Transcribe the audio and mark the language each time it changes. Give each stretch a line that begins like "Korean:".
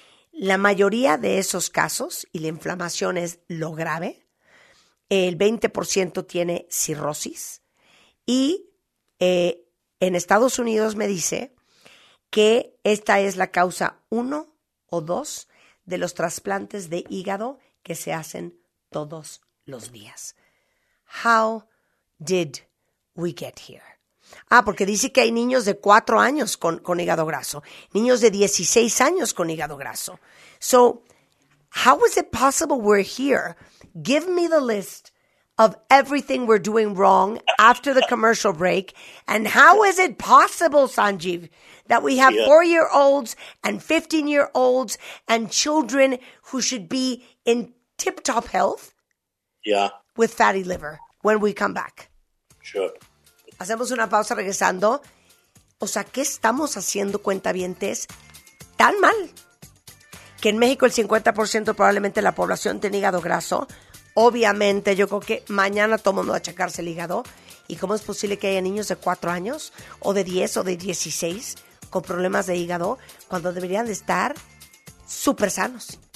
Spanish: La mayoría de esos casos, y la inflamación es lo grave, el 20% tiene cirrosis y en Estados Unidos me dice que esta es la causa 1 o 2 de los trasplantes de hígado que se hacen todos los días.
English: How did we get here?
Spanish: Ah, porque dice que hay niños de 4 años con hígado graso, niños de 16 años con hígado graso.
English: So, how is it possible we're here? Give me the list of everything we're doing wrong after the commercial break. And how is it possible, Sanjeev, that we have 4-year-olds and 15-year-olds and children who should be in tip-top health with fatty liver when we come back? Sure.
Spanish: Hacemos una pausa regresando. O sea, ¿qué estamos haciendo, cuentavientes, tan mal? Que en México el 50% probablemente la población tiene hígado graso. Obviamente, yo creo que mañana todo mundo va a checarse el hígado. ¿Y cómo es posible que haya niños de 4 años o de 10 o de 16 con problemas de hígado cuando deberían de estar súper sanos?